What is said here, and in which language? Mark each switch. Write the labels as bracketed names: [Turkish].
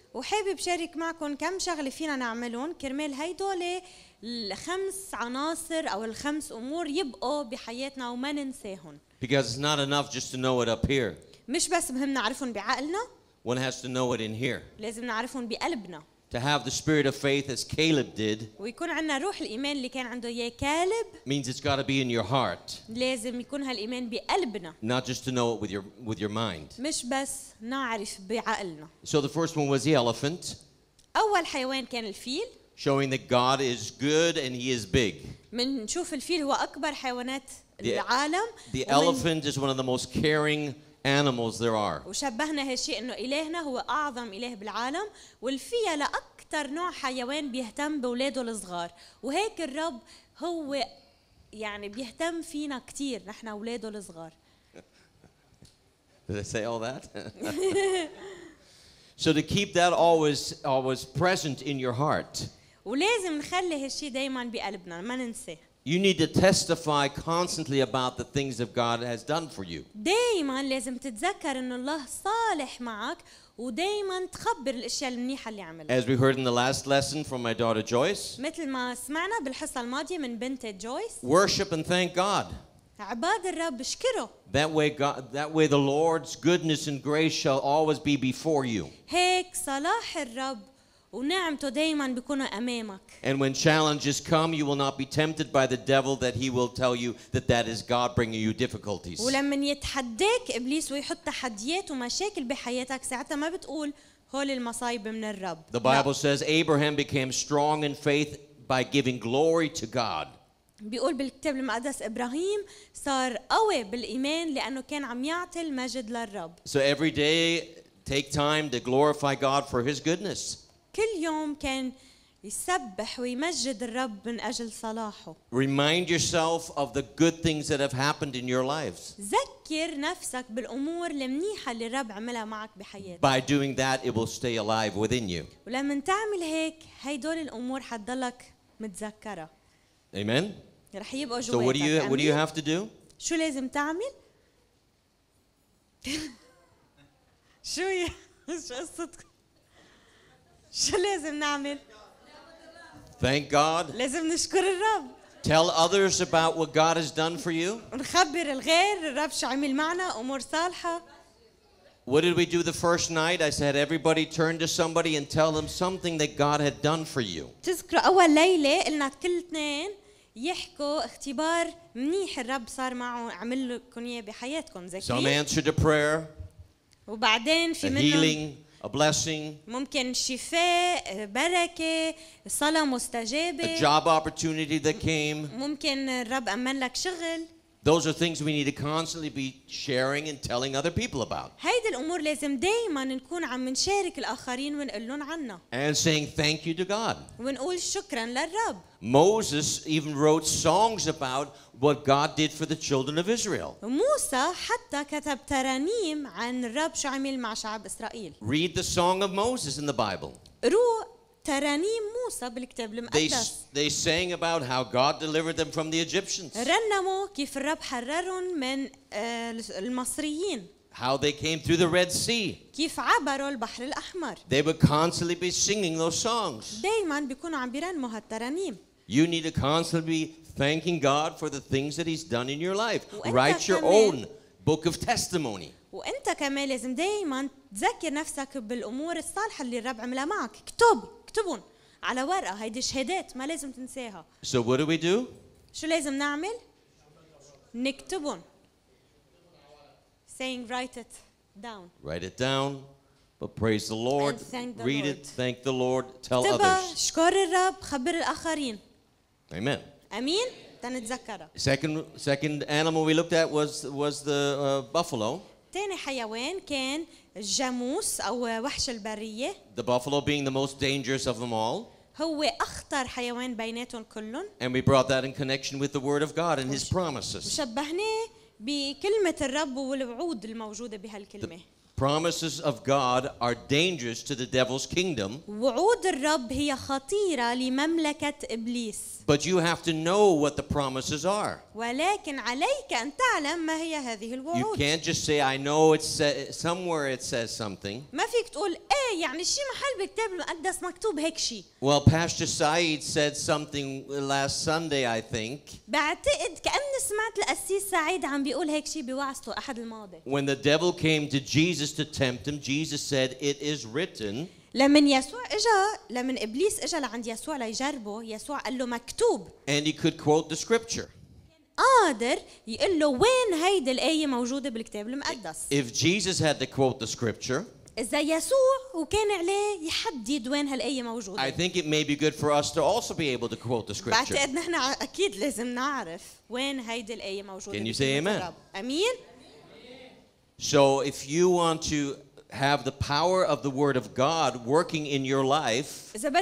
[Arabic] وحابب شارك معكم كم شغل فينا نعملون كرمال هيدول الخمس عناصر أو الخمس أمور يبقوا بحياتنا وما ننساهن. [English] Because it's not enough just to know it up here. [Arabic] مش بس مهم نعرفهم بعقلنا. [English] One has to know it in here. [Arabic] لازم نعرفهم بقلبنا. [English] To have the spirit of faith as Caleb did. [Arabic] ويكون عنا روح الإيمان اللي كان عنده يا كالب. [English] Means it's got to be in your heart. [Arabic] لازم يكون هالإيمان بقلبنا. [English] Not just to know it with your mind. [Arabic] مش بس نعرف بعقلنا. [English] So the first one was the elephant. [Arabic] أول حيوان كان الفيل. [English] Showing that God is good and He is big. [Arabic] منشوف الفيل هو أكبر حيوانات العالم. [English] The elephant is one of the most caring animals there are. [Arabic] وشبهنا هالشيء إنه إلهنا هو أعظم إله بالعالم والفيلة أكثر نوع حيوان بيهتم بولاده الصغار وهيك الرب هو يعني بيهتم فينا كتير نحن أولاده الصغار. [English] Did I say all that? So to keep that always present in your heart. [Arabic] ولازم نخلي هالشيء دائما بقلبنا ما ننسى. [English] You need to testify constantly about the things that God has done for you. [Arabic] دائما لازم تتذكر إن الله صالح معك ودائما تخبر الأشياء المنيحة اللي عملها. [English] As we heard in the last lesson from my daughter Joyce. [Arabic] مثل ما سمعنا بالحصة الماضية من بنتي جويس. [English] Worship and thank God. [Arabic] عباد الرب اشكره. [English] That way the Lord's goodness and grace shall always be before you. [Arabic] هيك صلاح الرب. ونعمته دائما بيكونوا امامك. [English] And when challenges come, you will not be tempted by the devil that he will tell you that is God bringing you difficulties. [Arabic] ولما يتحداك ابليس ويحط تحديات ومشاكل بحياتك ساعتها ما بتقول هول المصايب من الرب. [English] The Bible says Abraham became strong in faith by giving glory to God. [Arabic] بيقول بالكتاب المقدس ابراهيم صار قوي بالايمان لانه كان عم يعطي المجد للرب. [English] So every day take time to glorify God for his goodness. [Arabic] كل يوم كان يسبح ويمجد الرب من أجل صلاحه. [English] Remind yourself of the good things that have happened in your lives. [Arabic] ذكر نفسك بالأمور المنيحة اللي الرب عملها معك بحياتك. [English] By doing that, it will stay alive within you. [Arabic] ولما تعمل هيك، هيدول الأمور حتضلك متذكرة. [English] Amen. [Arabic] رح يبقى جواتك. [English] So what do you have to do? [Arabic] شو لازم تعمل؟ شو يا شو شو لازم نعمل؟ [English] Thank God. [Arabic] لازم نشكر الرب. [English] Tell others about what God has done for you. [Arabic] نخبر الغير الرب شو عمل معنا أمور صالحة. [English] What did we do the first night? I said everybody turn to somebody and tell them something that God had done for you. [Arabic] تذكر أول ليلة قلنا كل اثنين يحكوا اختبار منيح الرب صار معه عمل لكم إياه بحياتكم ذكي. [English] Some answered a prayer. [Arabic] وبعدين في منهم. [English] Healing. A blessing. [Arabic] ممكن شفاء بركة صلاة مستجابة. [English] A job opportunity that came. [Arabic] ممكن الرب أمن لك شغل. [English] Those are things we need to constantly be sharing and telling other people about. [Arabic] هيد الأمور لازم دائما نكون عم نشارك الآخرين ونقلن عنها. [English] And saying thank you to God. [Arabic] ونقول شكرا للرب. [English] Moses even wrote songs about what God did for the children of Israel. [Arabic] موسى حتى كتب ترانيم عن الرب شو عمل مع شعب إسرائيل. [English] Read the song of Moses in the Bible. [Arabic] روح ترانيم موسى بالكتاب المقدس. [English] They sang about how God delivered them from the Egyptians. [Arabic] رنموا كيف الرب حررهم من المصريين. [English] How they came through the Red Sea. [Arabic] كيف عبروا البحر الأحمر. [English] They would constantly be singing those songs. [Arabic] دائما بيكونوا عم بيرنموا هالترانيم. [English] You need to constantly be thanking God for the things that he's done in your life. Write your own book of testimony. [Arabic] وانت كمان لازم دائما تذكر نفسك بالامور الصالحه اللي الرب عملها معك. اكتب اكتبهم على ورقه. هيدي شهادات ما لازم تنساها. [English] So what do we do? [Arabic] شو لازم نعمل؟ نكتبهم. [English] Saying write it down. Write it down. But praise the Lord. And thank the Read Lord. It. Thank the Lord. Tell [Arabic] اكتبها. [English] Others. [Arabic] شكر الرب. خبر الاخرين. [English] Amen. [Arabic] امين. [English] Second animal we looked at was the buffalo. [Arabic] تاني حيوان كان الجاموس أو وحش البرية. [English] The buffalo being the most dangerous of them all. [Arabic] هو أخطر حيوان بيناتهم كلهم. [English] And we brought that in connection with the word of God and his promises. [Arabic] شبهناه بكلمة الرب والوعود الموجودة بهالكلمة. [English] Promises of God are dangerous to the devil's kingdom. [Arabic] وعود الرب هي خطيرة لمملكة إبليس. [English] But you have to know what the promises are. [Arabic] ولكن عليك أن تعلم ما هي هذه الوعود. [English] You can't just say, "I know it's somewhere it says something." [Arabic] ما فيك تقول إيه يعني شيء محل بالكتاب المقدس مكتوب هيك شيء. [English] Well, Pastor Saeed said something last Sunday, I think. [Arabic] بعتقد كأني سمعت القسيس سعيد عم بيقول هيك شيء بوعظته أحد الماضي. [English] When the devil came to Jesus to tempt him, Jesus said, "It is written." [Arabic] لمن يسوع إجا لمن إبليس إجا لعند يسوع ليجربه يسوع قال له مكتوب. [English] And he could quote the scripture. [Arabic] قادر يقول له وين هيدي الآية موجودة بالكتاب المقدس. [English] If Jesus had to quote the scripture. [Arabic] إذا يسوع وكان عليه يحدد وين هالآية موجودة. [English] I think it may be good for us to also be able to quote the scripture. [Arabic] بعتقد نحن أكيد لازم نعرف وين هيدي الآية موجودة. [English] Can you say amen? [Arabic] أمين. [English] So if you want to have the power of the word of God working in your life,